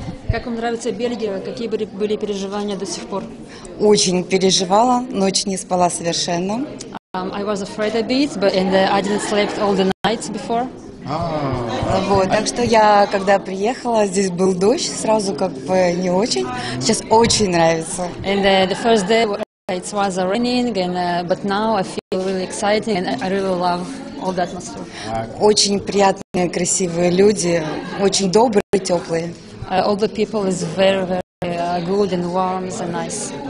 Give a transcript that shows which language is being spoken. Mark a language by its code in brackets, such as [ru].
[ru] Как вам нравится Бельгия? Какие были переживания до сих пор? Очень переживала, ночь не спала совершенно. [en] I was afraid a bit, but I didn't sleep all the nights before. [ru] Так что я, когда приехала, здесь был дождь, сразу как бы не очень. Сейчас очень нравится. [en] And the first day it was raining, but now I feel really exciting and I really love all the atmosphere. [ru] Очень приятные, красивые люди, очень добрые, теплые. [en] All the people is very, very good and warm and nice.